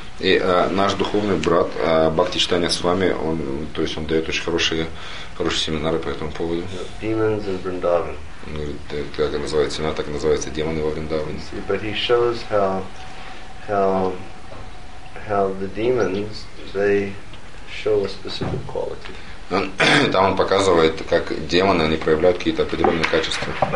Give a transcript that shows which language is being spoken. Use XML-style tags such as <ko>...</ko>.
<ru>И наш духовный брат Бхакти Чайтанья Свами, он дает очень хорошие семинары по этому поводу.</ru> <en>Demons in Vrindavan.</en> <ru>Как это называется, так и называется, демоны во Вриндаване.</ru> <en>But he shows how the demons, they show a specific quality.</en> <ru>Там он показывает, как демоны, они проявляют какие-то определенные качества.</ru>